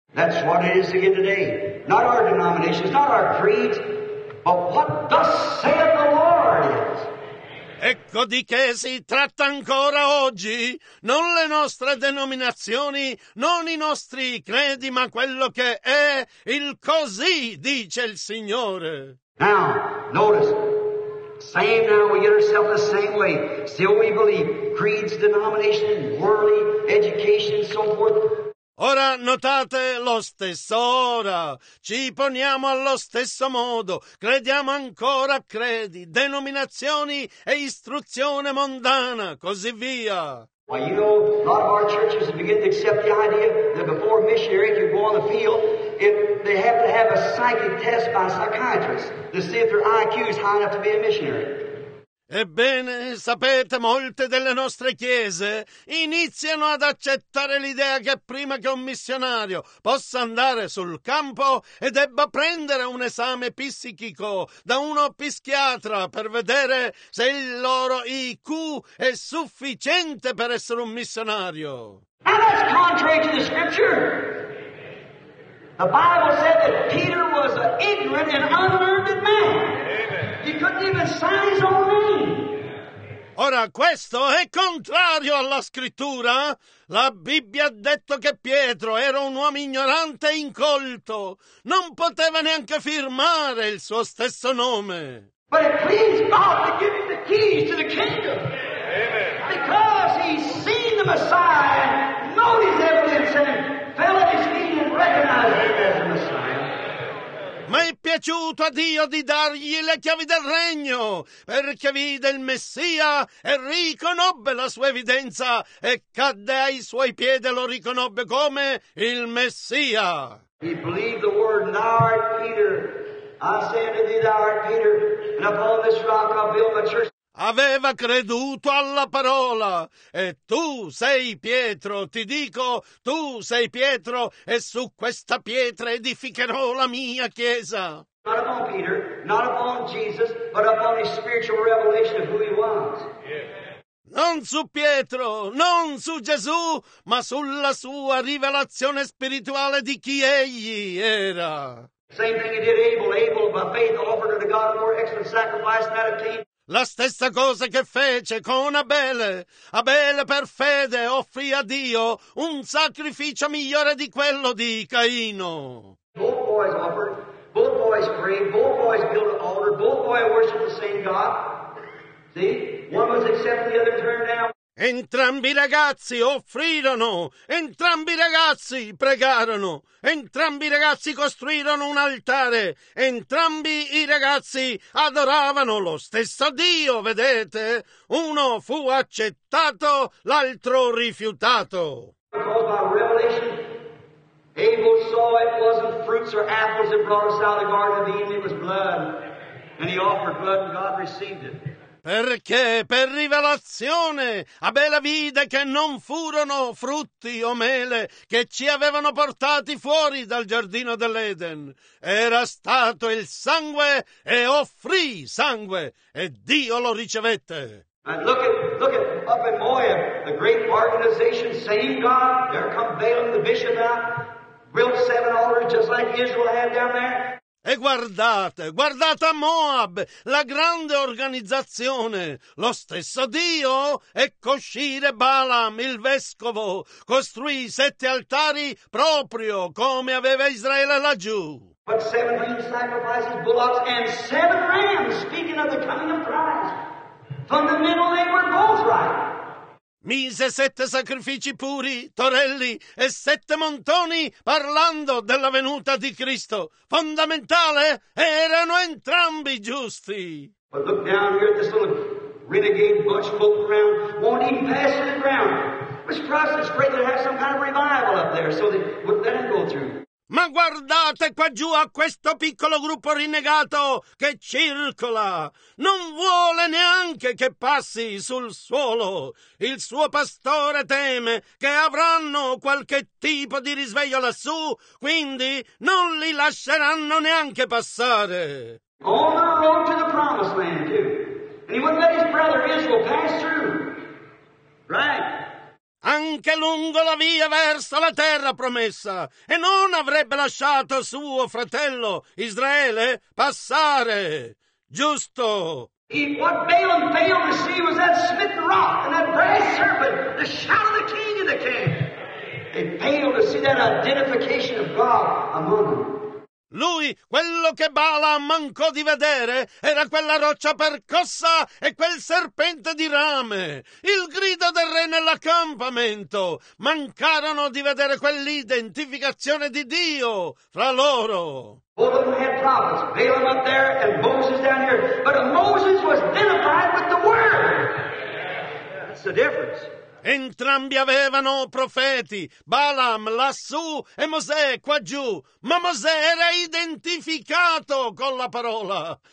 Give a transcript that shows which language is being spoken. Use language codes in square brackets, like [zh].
[en] That's what it is again today. Not our denominations, not our creed, but what thus saith the Lord is. [it] Ecco di che si tratta ancora oggi, non le nostre denominazioni, non i nostri credi, ma quello che è il così, dice il Signore. [en] Now, notice, same now we get ourselves the same way. Still we believe creeds, denomination, worldly, education, and so forth. [it] Ora notate, lo stesso ora, ci poniamo allo stesso modo, crediamo ancora a credi, denominazioni e istruzione mondana, così via. [en] Well, you know, a lot of our churches begin to accept the idea that before a missionary can go on the field, if they have to have a psychic test by a psychiatrist to see if their IQ is high enough to be a missionary. [it] Ebbene, sapete, molte delle nostre chiese iniziano ad accettare l'idea che prima che un missionario possa andare sul campo e debba prendere un esame psichico da uno psichiatra per vedere se il loro IQ è sufficiente per essere un missionario. [en] And that's contrary to the scripture. The Bible said that Peter was an ignorant and unlearned man. He couldn't even sign his own name. [it] Ora, questo è contrario alla scrittura. La Bibbia ha detto che Pietro era un uomo ignorante e incolto. Non poteva neanche firmare il suo stesso nome. [en] But it pleased God to give him the keys to the kingdom. Amen. Because he's seen the Messiah, known his evidence, and fell at his feet and recognized him. [it] Ma è piaciuto a Dio di dargli le chiavi del regno, perché vide il Messia e riconobbe la sua evidenza e cadde ai suoi piedi e lo riconobbe come il Messia. [en] He believed the word, thou art Peter. I say unto thee, thou art Peter, and upon this rock I'll build my church. [it] Aveva creduto alla parola, e tu sei Pietro, ti dico, tu sei Pietro, e su questa pietra edificherò la mia chiesa. [en] Not upon Peter, not upon Jesus, but upon his spiritual revelation of who he was. Yeah. [it] Non su Pietro, non su Gesù, ma sulla sua rivelazione spirituale di chi egli era. [en] Same thing he did Abel, Abel by faith offered unto God a more excellent sacrifice than that obtained. [it] La stessa cosa che fece con Abele. Abele per fede offrì a Dio un sacrificio migliore di quello di Caino. [en] Both boys offered, both boys prayed, both boys built an altar, both boys worshiped the same God. See? One was accepted, the other turned down. [it] Entrambi i ragazzi offrirono, entrambi i ragazzi pregarono, entrambi i ragazzi costruirono un altare, entrambi i ragazzi adoravano lo stesso Dio, vedete? Uno fu accettato, l'altro rifiutato. [en] Because by revelation, Abel saw it wasn't fruits or apples that brought us out of the garden of Eden, it was blood. And he offered blood and God received it. [it] Perché per rivelazione Abele vide che non furono frutti o mele che ci avevano portati fuori dal giardino dell'Eden. Era stato il sangue e offrì sangue e Dio lo ricevette. [en] And look at up in Moab, the great organization, same God, there come Balaam the bishop out, built seven altars just like Israel had down there. [it] E guardate, guardate a Moab, la grande organizzazione, lo stesso Dio, ecco uscire Balaam, il vescovo, costruì sette altari proprio come aveva Israele laggiù. [en] But seven sacrifices, bullocks, and seven rams, speaking of the coming of Christ. Fundamentally, they were both right. [it] mise 7 sacrifici puri, torelli e 7 montoni parlando della venuta di Cristo. Fondamentale, erano entrambi giusti. [en] But look down here at this little renegade bunch floating around, won't even pass to the ground. Mr. Prosser, it's great to have some kind of revival up there, so they wouldn't let him go through. [it] Ma guardate qua giù a questo piccolo gruppo rinnegato che circola. Non vuole neanche che passi sul suolo. Il suo pastore teme che avranno qualche tipo di risveglio lassù, quindi non li lasceranno neanche passare. [en] On the road to the promised land too. And he wouldn't let his brother Israel pass through. Right? [it] Anche lungo la via verso la terra promessa, e non avrebbe lasciato suo fratello Israele passare. Giusto. [en] What Balaam failed to see was that smitten rock and that brass serpent, the shout of the king in the camp. They failed to see that identification of God among them. [it] Lui, quello che Bala mancò di vedere, era quella roccia percossa e quel serpente di rame, il grido del re nell'accampamento. Mancarono di vedere quell'identificazione di Dio fra loro. [en] Both of them had prophets, Balaam up there and Moses down here, but Moses was identified with the word. That's the difference. [it] Entrambi avevano profeti, Balaam lassù e Mosè quaggiù, ma Mosè era identificato con la parola.